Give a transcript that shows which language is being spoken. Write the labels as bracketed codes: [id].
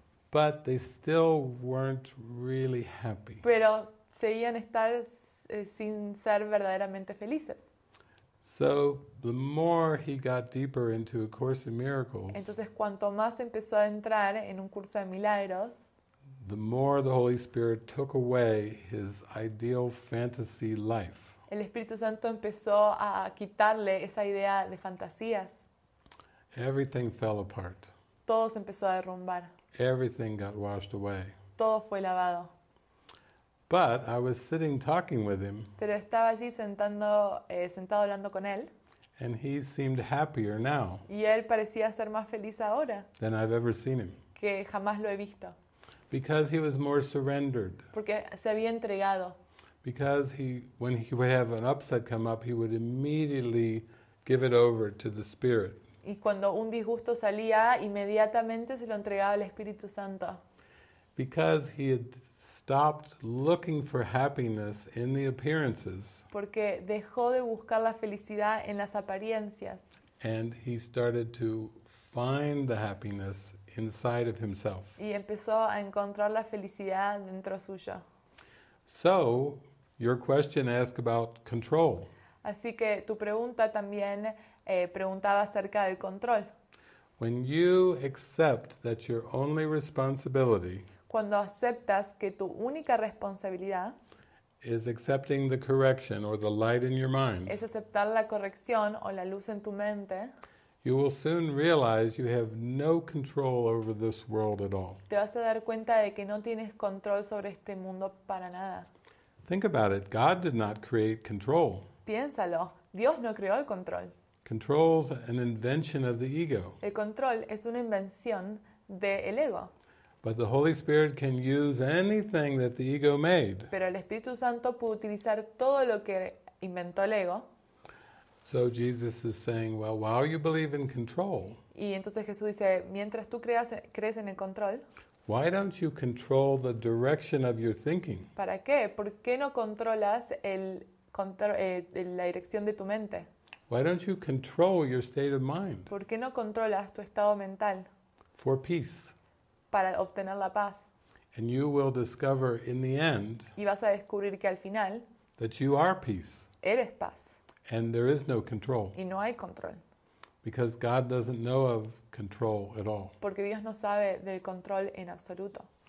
[en] But they still weren't really happy. [es] Pero seguían estar sin ser verdaderamente felices. [en] So the more he got deeper into A Course in Miracles. [es] Entonces cuanto más empezó a entrar en Un Curso de Milagros, [en] the more the Holy Spirit took away his ideal fantasy life. [es] El Espíritu Santo empezó a quitarle esa idea de fantasías. [en] Everything fell apart. [es] Todo se empezó a derrumbar. [en] Everything got washed away. [es] Todo fue lavado. [en] But I was sitting talking with him. [es] Pero estaba allí sentando, sentado hablando con él. [en] And he seemed happier now. [es] Y él parecía ser más feliz ahora. [en] Than I've ever seen him. [es] Que jamás lo he visto. [en] Because he was more surrendered. [es] Porque se había entregado. [en] Because he, when he would have an upset come up, he would immediately give it over to the Spirit. [es] Y cuando un disgusto salía, inmediatamente se lo entregaba al Espíritu Santo. [en] Because he had stopped looking for happiness in the appearances. [es] Porque dejó de buscar la felicidad en las apariencias. [en] And he started to find the happiness inside of himself. [es] Y empezó a encontrar la felicidad dentro suyo. [en] So, your question asked about control. [es] Así que tu pregunta también preguntaba acerca del control. [en] When you accept that your only responsibility, [es] cuando aceptas que tu única responsabilidad [en] is accepting the correction or the light in your mind, [es] es aceptar la corrección o la luz en tu mente, [en] you will soon realize you have no control over this world at all. [es] Te vas a dar cuenta de que no tienes control sobre este mundo para nada. [en] Think about it. God did not create control. [es] Piénsalo. Dios no creó el control. [en] Control's an invention of the ego. [es] El control es una invención del ego. [en] But the Holy Spirit can use anything that the ego made. [es] Pero el Espíritu Santo pudo utilizar todo lo que inventó el ego. [en] So Jesus is saying, well, while you believe in control, [es] y entonces Jesús dice, mientras tú crees en el control, [en] why don't you control the direction of your thinking? [es] ¿Para qué? ¿Por qué no controlas la dirección de tu mente? [en] Why don't you control your state of mind? [es] ¿Por qué no controlas tu estado mental? [en] For peace. [es] Para obtener la paz. [en] And you will discover in the end, [es] y vas a descubrir que al final, [en] that you are peace. [es] Eres paz. [en] And there is no control. [es] Y no hay control. [en] Because God doesn't know of control at all. [es] Porque Dios no sabe del control en absoluto.